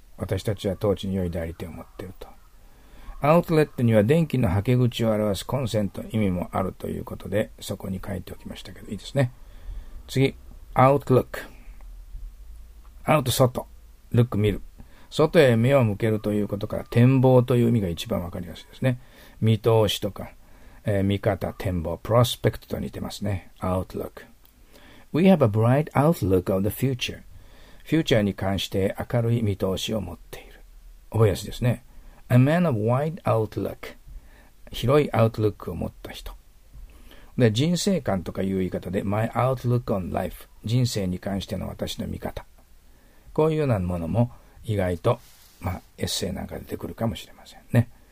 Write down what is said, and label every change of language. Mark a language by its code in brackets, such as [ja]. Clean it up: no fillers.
[ja] 私たちは当地に良い代理店を持っていると。アウトレットには電気のはけ口を表すコンセント、意味もあるということで、そこに書いておきましたけど、いいですね。次、アウトルック。アウト、外。ルック、見る。外へ目を向けるということから、展望という意味が一番わかりやすいですね。見通しとか、見方、展望、プロスペクトと似てますね。アウトルック。 [en] We have a bright outlook of the future. [ja] フューチャーに関して明るい見通しを持っている。覚えやすいですね。 [en] A man of wide outlook. [ja] 広いアウトルックを持った人。で、人生観とかいう言い方で、 [en] My outlook on life. [ja] 人生に関しての私の見方。こういうようなものも意外と、まあ、エッセイなんか出てくるかもしれませんね。